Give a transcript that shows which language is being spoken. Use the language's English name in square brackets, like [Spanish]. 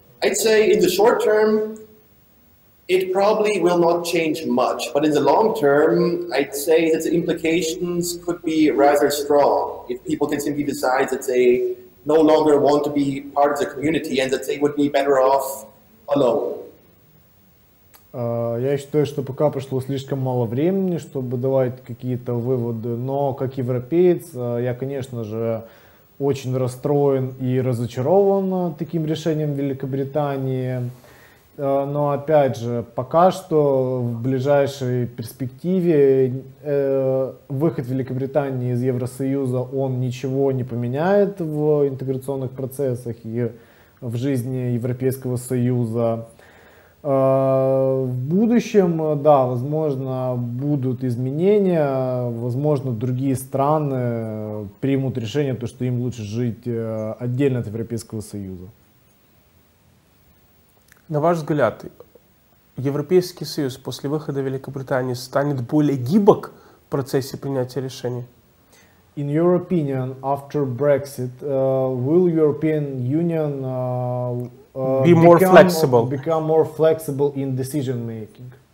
[English] I'd say in the short term, it probably will not change much. But in the long term, I'd say that the implications could be rather strong if people can simply decide that they no longer want to be part of the community and that they would be better off alone. [Russian] Я считаю, что пока прошло слишком мало времени, чтобы давать какие-то выводы, но как европеец, я, конечно же, очень расстроен и разочарован таким решением Великобритании. Но опять же, пока что в ближайшей перспективе выход Великобритании из Евросоюза, он ничего не поменяет в интеграционных процессах и в жизни Европейского Союза. В будущем, да, возможно, будут изменения, возможно, другие страны примут решение, то, что им лучше жить отдельно от Европейского Союза. На ваш взгляд, Европейский Союз после выхода Великобритании станет более гибок в процессе принятия решений? [English] In your opinion, after Brexit, will European Union be more flexible? Become more flexible in decision making?